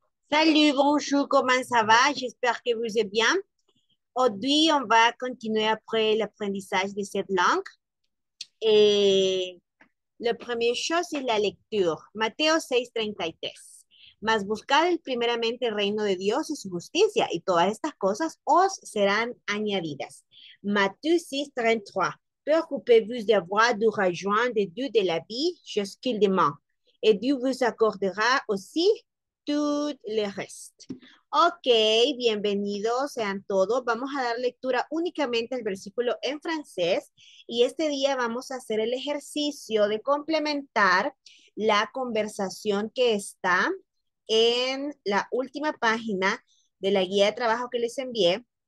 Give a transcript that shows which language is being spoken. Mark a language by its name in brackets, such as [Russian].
[French] Salut, bonjour, comment ça va? J'espère que vous êtes bien. Aujourd'hui, on va continuer après l'apprentissage de cette langue. Et la première chose, c'est la lecture. [Spanish] Mateo 6, 33. Mas buscad primeramente el reino de Dios y su justicia, y todas estas cosas os serán añadidas. Mateo 6, 33. [French] Preocupez-vous d'avoir du rejoint de Dieu de la vie, ce qu'il demande. Et Dieu vous accordera aussi tout le reste. [Spanish] Ok, bienvenidos sean todos. Vamos a dar lectura únicamente al versículo en francés y este día vamos a hacer el ejercicio de complementar la conversación que está en la última página de la guía de trabajo que les envié.